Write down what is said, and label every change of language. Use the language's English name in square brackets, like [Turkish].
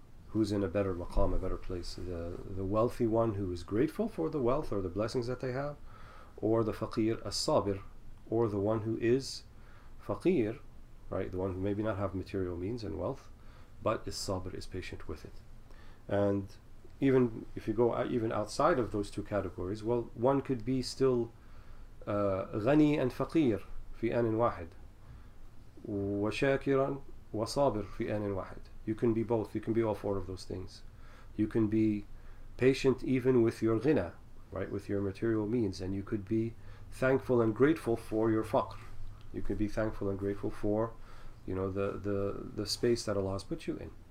[English] Who's in a better maqam, a better place? The wealthy one who is grateful for the wealth or the blessings that they have, or the faqir as-sabir, or the one who is faqir, right? The one who maybe not have material means and wealth, but is sabir, is patient with it. And even if you go even outside of those two categories, well, one could be still ghani and faqir, [Arabic] في آن واحد وشاكرا وصابر في آن واحد. [English] You can be both, you can be all four of those things. You can be patient even with your ghina, right, with your material means, and you could be thankful and grateful for your faqr. You could be thankful and grateful for, you know, the space that Allah has put you in.